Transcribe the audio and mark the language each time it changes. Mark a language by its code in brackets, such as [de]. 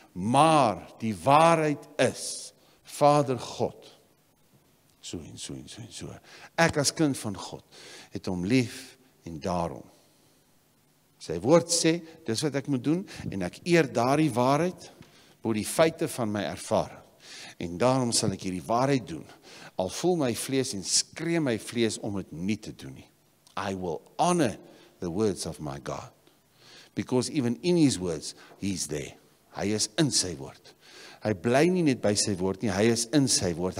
[af] Maar die waarheid is, Vader God, so en so en so en so, ek as kind van God, het om lief en daarom. Sy woord sê, dis wat ek moet doen, en ek eer daar die waarheid, oor die feite van my ervaring. En daarom sal ek hierdie waarheid doen, al voel my vlees en skree my vlees om het nie te doen nie. [en] I will honor the words of my God. Because even in his words, he's there. [af] Hy is in sy woord. Hy bly nie net by sy woord nie, hy is in sy woord.